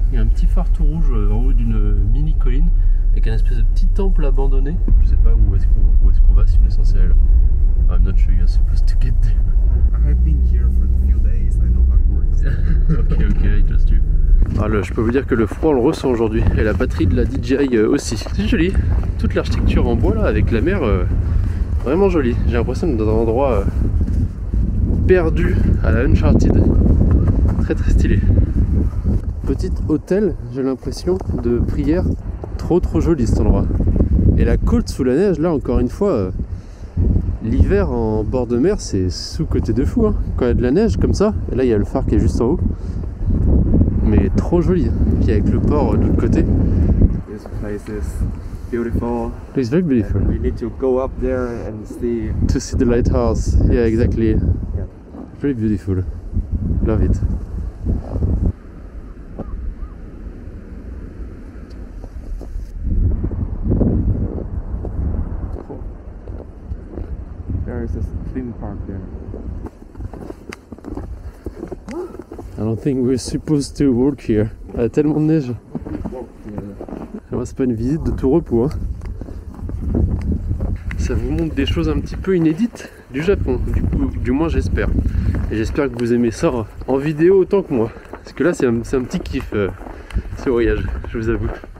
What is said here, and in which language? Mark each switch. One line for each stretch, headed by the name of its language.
French: Il y a un petit phare tout rouge en haut d'une mini colline avec un espèce de petit temple abandonné. Je sais pas où est-ce qu'on va si on est censé aller là.
English: I'm not sure you're supposed to get there. I've been here for a few days. I know how it works. Okay, I trust you.
French: Alors, je peux vous dire que le froid on le ressent aujourd'hui, et la batterie de la DJI aussi. C'est joli, toute l'architecture en bois là, avec la mer, vraiment joli. J'ai l'impression d'être dans un endroit perdu à la Uncharted. Très très stylé. Petit hôtel, j'ai l'impression, de prière. Trop trop joli cet endroit. Et la côte sous la neige, là encore une fois, l'hiver en bord de mer, c'est sous-côté de fou. Hein. Quand il y a de la neige comme ça, et là il y a le phare qui est juste en haut. Mais trop joli, puis avec le port de l'autre côté.
English: This place is beautiful. It's very beautiful. And we need to go up there and see. To see the lighthouse. Yeah, exactly. Yeah. Very beautiful. Love it. there is a theme park there. I don't think we're supposed to walk here.
French: Il y a tellement de neige. Alors, c'est pas une visite de tout repos. Hein. Ça vous montre des choses un petit peu inédites du Japon. Du moins, j'espère. Et j'espère que vous aimez ça en vidéo autant que moi. Parce que là, c'est un petit kiff, ce voyage, je vous avoue.